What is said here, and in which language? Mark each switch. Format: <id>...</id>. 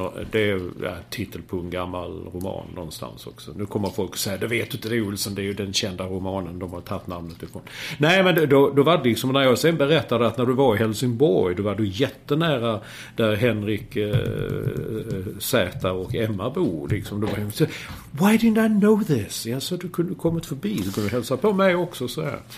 <sv>Det är titel på en gammal roman någonstans också. Nu kommer folk att säga, det vet du inte, det är Olsen, det är ju den kända romanen de har tagit namnet ifrån. Nej, men då var det liksom, när jag sen berättade att när du var i Helsingborg, då var du jättenära där Henrik Zäta och Emma bor liksom. Då var jag,</sv> <en>why didn't I know this?</en> <sv>Jag sa, du kunde kommit förbi, du kunde hälsa på mig också, så här.</sv>